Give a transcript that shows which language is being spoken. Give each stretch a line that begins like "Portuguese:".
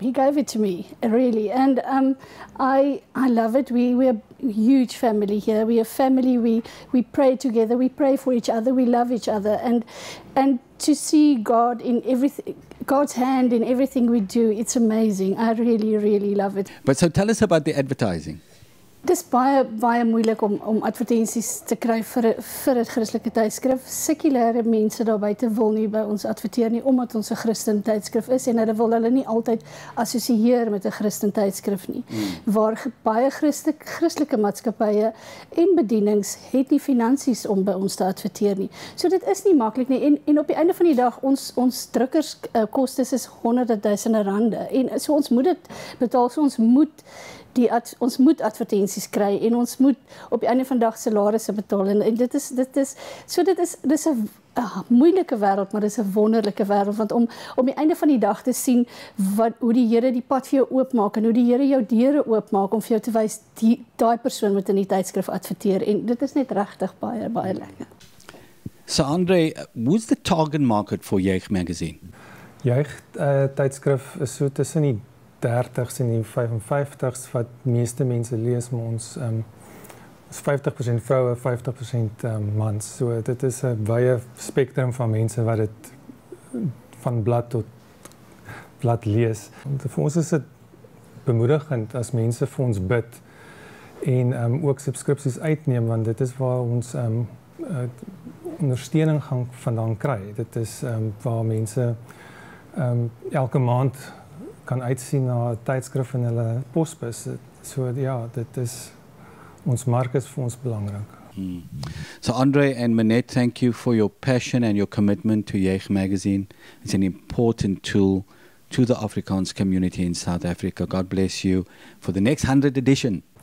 English: He gave it to me, really. And I love it. We're a huge family here. We're a family. We pray together. We pray for each other. We love each other. And to see God in everything, God's hand in everything we do, it's amazing. I really, really love it. But so tell us about the advertising.
Afrikaans: Dis baie baie moeilik om advertensies te kry vir 'n Christelike tydskrif. Sekulêre mense daar buite wil nie by ons adverteer nie omdat ons 'n Christen tydskrif is en hulle wil hulle nie altyd assosieer met 'n Christen tydskrif nie. Mm. Waar baie Christelike maatskappye en bedienings het nie finansies om by ons te adverteer nie. So dit is nie maklik nie en op die einde van die dag ons drukkers kostes is honderdduisende rande en so ons moet dit betaal, so ons moet ons moet advertensies kry en ons moet op die einde van dag salarisse betaal en dit is 'n moeilike wêreld, maar dit is 'n wonderlike wêreld want om die einde van die dag te sien hoe die Here die pad vir jou oopmaak en hoe die Here jou deure oopmaak om vir jou te wys daai persoon moet in die tydskrif adverteer en dit is net regtig baie baie lekker.
English: So Andre, who's the target market for Jeug magazine?
Afrikaans: Jeug tydskrif is so tussen die 30s en die 55s wat meeste mense lees, maar ons is 50% vroue, 50% mans. So dit is 'n wye spektrum van mense wat dit van blad tot blad lees. Want vir ons is dit bemoedigend as mense vir ons bid en ook subskripsies uitneem, want dit is waar ons ondersteuning gaan vandaan kry. Dit is waar mense elke maand kan uitsien na 'n tydskrif in hulle posbus. So ja, dit is ons mark is vir ons belangrik. Hmm.
English: So Andre and Manette, thank you for your passion and your commitment to Jeug magazine. It's an important tool to the Afrikaans community in South Africa. God bless you for the next 100 edition.